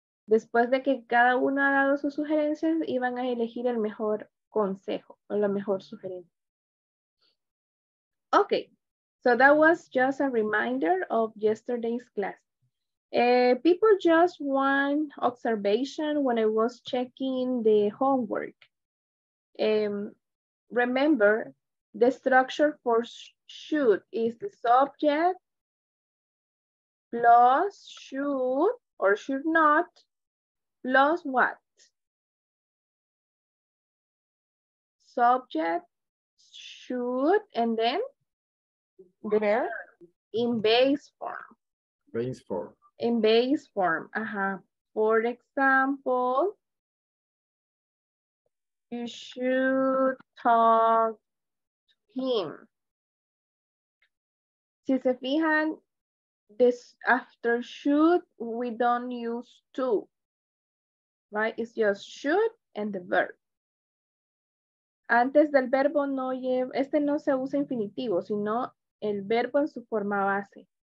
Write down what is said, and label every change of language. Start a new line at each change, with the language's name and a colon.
Spanish: Después de que cada uno ha dado sus sugerencias, iban a elegir el mejor consejo o la mejor sugerencia.
English: Okay, so that was just a reminder of yesterday's class. People, just one observation when I was checking the homework. Remember, the structure for should is the subject plus should or should not plus what? Subject, should, and then where? In base form. Uh-huh. For example, you should talk to him.
Spanish: Si se fijan,
English: this after should, we don't use to, right? It's just should and the verb.
Spanish: Antes del verbo no lleva, este no se usa infinitivo, sino el verbo en su forma base.